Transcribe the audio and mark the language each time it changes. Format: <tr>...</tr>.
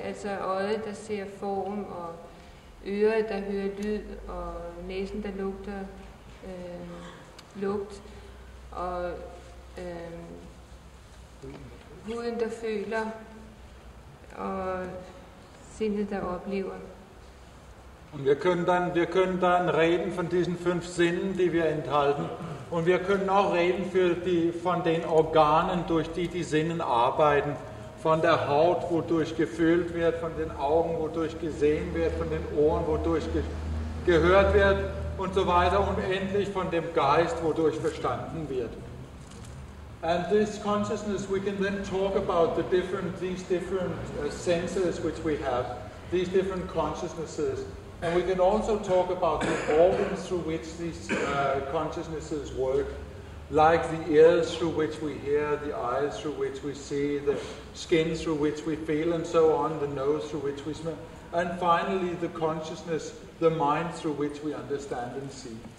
<da>Altså øjet, der ser form, og øret, der hører lyd, og næsen, der lugter lugt, og huden, der føler, og sindet, der oplever. Vi kunne</da> <de>dann reden von diesen fünf Sinnen, die wir enthalten, und wir können auch reden von den Organen, durch die die Sinnen arbeiten. Von der Haut, wodurch gefühlt wird, von den Augen, wodurch gesehen wird, von den Ohren, wodurch gehört wird und so weiter und endlich von dem Geist, wodurch verstanden wird.</de> <en>And this consciousness, we can then talk about these different senses which we have, these different consciousnesses, and we can also talk about the organs through which these consciousnesses work. Like the ears through which we hear, the eyes through which we see, the skin through which we feel, and so on, the nose through which we smell, and finally the consciousness, the mind through which we understand and see.</en>